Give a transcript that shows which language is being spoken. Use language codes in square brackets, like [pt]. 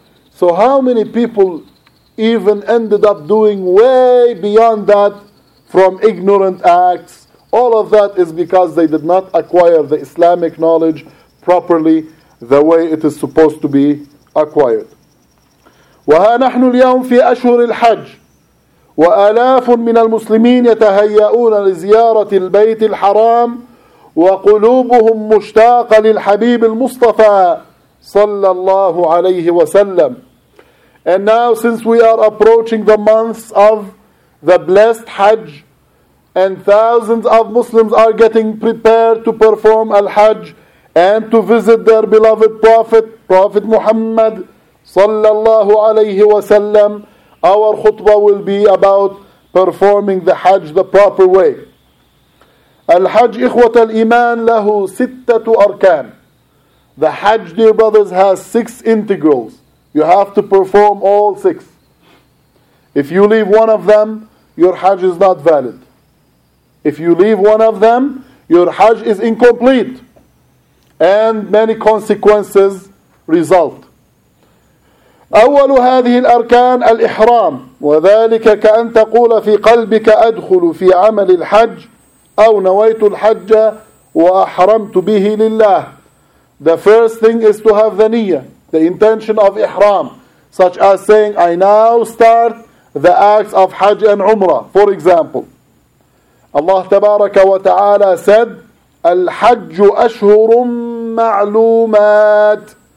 [en] So how many people even ended up doing way beyond that from ignorant acts? All of that is because they did not acquire the Islamic knowledge properly the way it is supposed to be acquired. [ar] وها نحن اليوم في أشهر الحج وآلاف من المسلمين يتهيئون لزيارة البيت الحرام وقلوبهم مشتاقة للحبيب المصطفى صلى الله عليه وسلم. [en] And now since we are approaching the months of the blessed Hajj and thousands of Muslims are getting prepared to perform al-Hajj and to visit their beloved Prophet Muhammad [ar] صلى الله عليه وسلم, [en] our khutbah will be about performing the Hajj the proper way. [ar] الحج إخوة الإيمان له ستة أركان. [en] The Hajj, dear brothers, has six integrals. You have to perform all six. If you leave one of them, your Hajj is not valid. If you leave one of them, your Hajj is incomplete. And many consequences result. [ar] أول هذه الأركان الإحرام, وذلك كأن تقول في قلبك أدخل في عمل الحج أو نويت الحج وأحرمت به لله. [en] The first thing is to have the niyya, the intention of ihram, such as saying, I now start the acts of Hajj and Umrah. For example, Allah [ar] تبارك وتعالى [en] said, [ar] الحج أشهر معلومات.